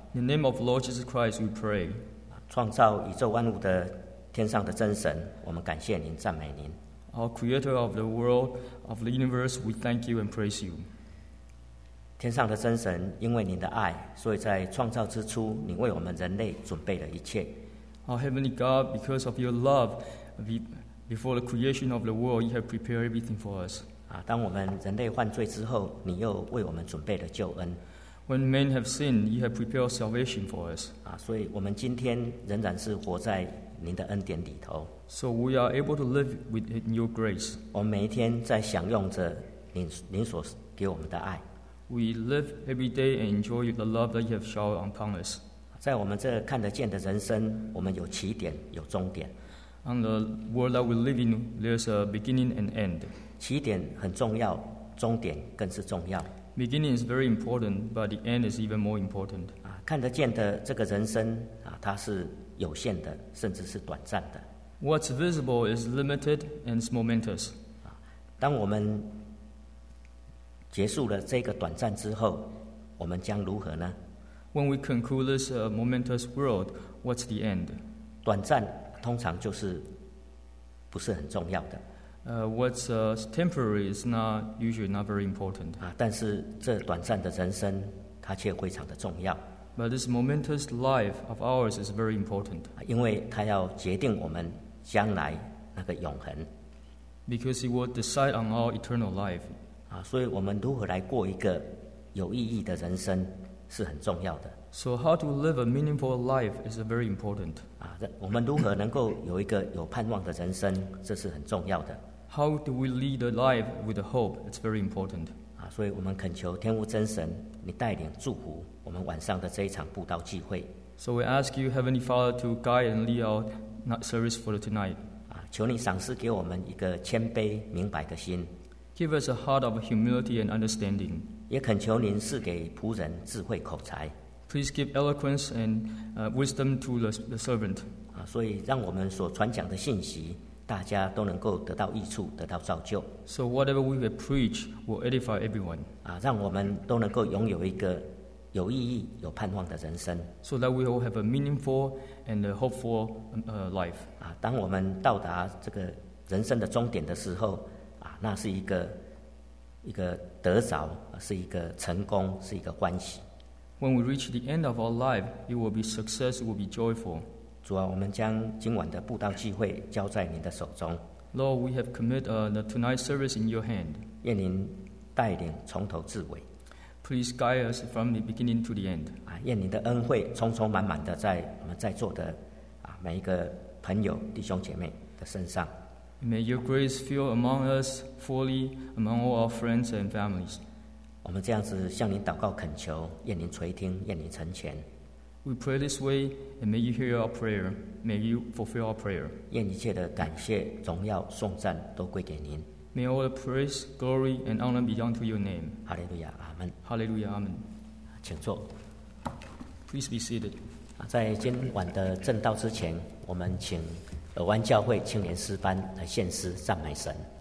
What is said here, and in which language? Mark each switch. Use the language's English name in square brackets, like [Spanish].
[English] In the name of Lord Jesus Christ, we pray. [Chinese] 创造宇宙万物的天上的真神，我们感谢您，赞美您。 [English] Our Creator of the world, of the universe, we thank you and praise you. [Chinese] 天上的真神，因为您的爱，所以在创造之初，你为我们人类准备了一切。 [English] Our Heavenly God, because of your love, Before the creation of the world, you have prepared everything for us. [Chinese] 当我们人类犯罪之后，你又为我们准备了救恩。 [English] When men have sinned, you have prepared salvation for us. [Chinese] 所以我们今天仍然是活在您的恩典里头。 [English] So we are able to live within your grace. [Chinese] 我们每一天在享用着您所给我们的爱。 [English] We live every day and enjoy the love that you have showered upon us. [Chinese] 在我们这看得见的人生，我们有起点，有终点。 [English] On the world that we live in, there's a beginning and end. [Chinese] 起点很重要，终点更是重要。 [English] Beginning is very important, but the end is even more important. [Chinese] 看得见的这个人生它是有限的，甚至是短暂的。 [English] What's visible is limited and it's momentous. [Chinese] 当我们结束了这个短暂之后，我们将如何呢？ [English] When we conclude this momentous world, what's the end? [Chinese] 短暂。通常就是不是很重要的。 [English] What's temporary is not usually not very important. [Chinese] 但是这短暂的人生，它却非常的重要。 [English] But this momentous life of ours is very important. [Chinese] 因为它要决定我们将来那个永恒。 [English] Because it will decide on our eternal life. [Chinese] 所以我们如何来过一个有意义的人生是很重要的。 [English] So how to live a meaningful life is very important. [Chinese] 我们如何能够有一个有盼望的人生，这是很重要的。 [English] How do we lead a life with hope? It's very important. [Chinese] 所以我们恳求天父真神，你带领祝福我们晚上的这一场布道聚会。 [English] So we ask you, Heavenly Father, to guide and lead our service for tonight. [Chinese] 求你赏赐给我们一个谦卑明白的心。 [English] Give us a heart of humility and understanding. [Chinese] 也恳求您赐给仆人智慧口才。 [English] Please give eloquence and wisdom to the servant. [Chinese] 所以让我们所传讲的信息，大家都能够得到益处，得到造就。 [English] So whatever we will preach will edify everyone. [Chinese] 让我们都能够拥有一个有意义、有盼望的人生。 [English] So that we all have a meaningful and a hopeful life. [Chinese] 当我们到达这个人生的终点的时候，那是一个得着，是一个成功，是一个欢喜。 [English] When we reach the end of our life, it will be success, it will be joyful. [Chinese] 主啊，我们将今晚的布道聚会交在您的手中。 [English] Lord, we have committed the tonight service in your hand. [Chinese] 愿您带领从头至尾。 [English] Please guide us from the beginning to the end. [Chinese] 愿您的恩惠充充满满的在我们在座的每一个朋友弟兄姐妹的身上。 [English] May your grace fill among us fully among all our friends and families. [Chinese] 我们这样子向您祷告恳求，愿您垂听，愿您成全。 [English] We pray this way, and may you hear our prayer. May you fulfill our prayer. [Chinese] 愿一切的感谢、荣耀、颂赞都归给您。 [English] May all the praise, glory, and honor be unto your name. Hallelujah, Amen. Hallelujah, Amen. [Chinese] 请坐。 [English] Please be seated. [Chinese] 在今晚的正道之前，我们请尔湾教会青年诗班来献诗赞美神。